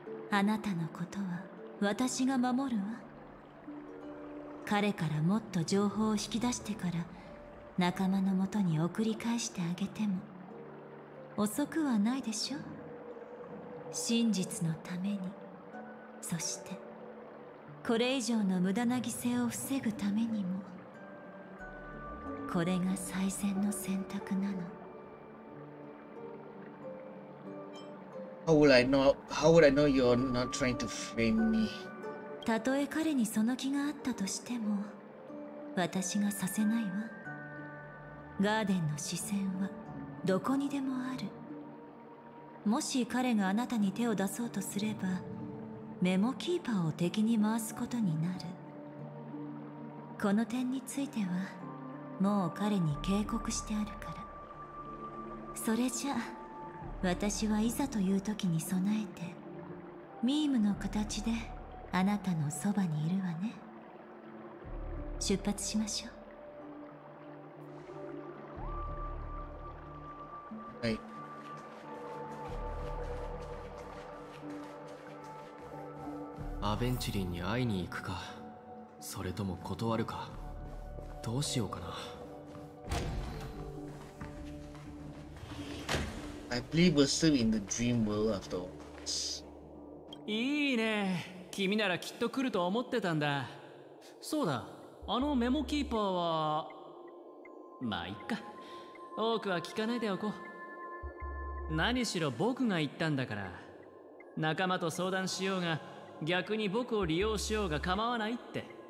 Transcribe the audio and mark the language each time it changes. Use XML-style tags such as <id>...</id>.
<ja>あなたのことは私が守るわ。彼からもっと情報を引き出してから仲間のもとに送り返してあげても遅くはないでしょ。真実のために、そしてこれ以上の無駄な犠牲を防ぐためにも、これが最善の選択なの。</ja> <en>How would I know you're not trying to frame me?</en> <ja>たとえ彼にその気があったとしても、私がさせないわ。ガーデンの視線はどこにでもある。もし彼があなたに手を出そうとすれば、メモキーパーを敵に回すことになる。この点についてはもう彼に警告してあるから。それじゃあ私はいざという時に備えてミームの形であなたのそばにいるわね。出発しましょう。はい。アベンチュリンに会いに行くか、それとも断るか、どうしようかな。</ja> <en>I believe we're still in the dream world after</en> <ja>all. いいね。君ならきっと来ると思ってたんだ。そうだ、あのメモキーパーは、まあいっか、多くは聞かないでおこう。何しろ僕が言ったんだから、仲間と相談しようが逆に僕を利用しようが構わないって。</ja>